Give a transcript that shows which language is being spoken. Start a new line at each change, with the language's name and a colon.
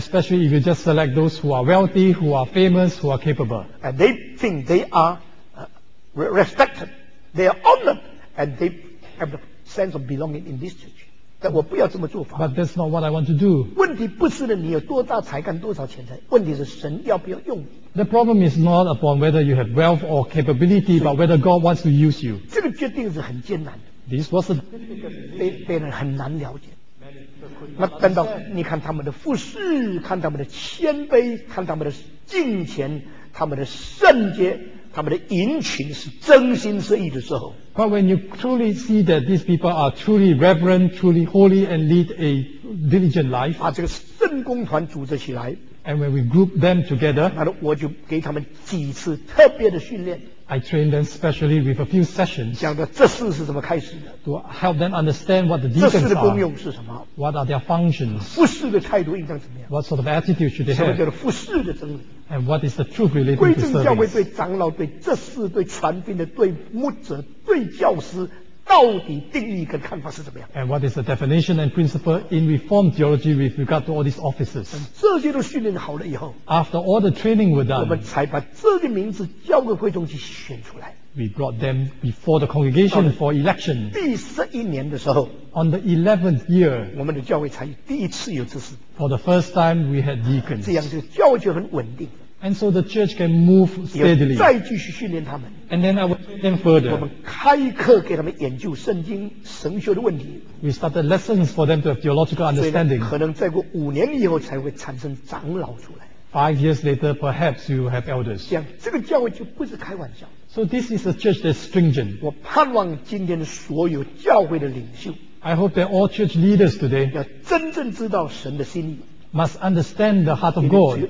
English: Especially if you just select those who are wealthy, who are famous, who are capable. And they think they are respected, they are honored, and they have the sense of belonging in this church.
Chinese: 但我不要这么做法。
English: But that's not what I want to do.
Chinese: 问题不是你有多大才干、多少钱财，问题是神要不要用你。
English: The problem is not upon whether you have wealth or capability, but whether God wants to use you.
Chinese: 这个决定是很艰难的。
English: This was a
Chinese: 被人很难了解。那等到你看他们的服事，看他们的谦卑，看他们的敬虔，他们的圣洁，他们的殷勤是真心实意的时候。
English: But when you truly see that these people are truly reverent, truly holy, and lead a diligent life,
Chinese: 把这个圣公团组织起来
English: ，and when we group them together,
Chinese: 那我就给他们几次特别的训练。
English: I trained them specially with a few sessions.
Chinese: 讲的这事是怎么开始的
English: ？To help them understand what the deacons are.
Chinese: 这事的功用是什么
English: ？What are their functions?
Chinese: 服事的态度应当怎么样
English: ？What sort of attitude should they have?
Chinese: 什么叫做服事的真理
English: ？And what is the truth related to service?
Chinese: 归正教会对长老、对这事、对传道的、对牧者、对教师，到底定义跟看法是怎么样。
English: And what is the definition and principle in Reformed theology with regard to all these offices?
Chinese: 这些都训练好了以后
English: ，After all the training were done，
Chinese: 我们才把这些名字交给会众去选出来。
English: We brought them before the congregation for election.
Chinese: 第十一年的时候
English: ，On the 11th year，
Chinese: 我们的教会才第一次有执事。
English: For the first time, we had deacons.
Chinese: 这样就教会就很稳定。
English: And so the church can move steadily.
Chinese: 再继续训练他们。
English: And then I will train them further.
Chinese: 我们开课给他们研究圣经神学的问题。
English: We started lessons for them to have theological understanding.
Chinese: 可能再过五年以后才会产生长老出来。
English: Five years later, perhaps you will have elders.
Chinese: 这样，这个教会就不是开玩笑。
English: So this is a church that's stringent.
Chinese: 我盼望今天所有教会的领袖
English: ，I hope that all church leaders today
Chinese: 要真正知道神的心意
English: ，must understand the heart of God.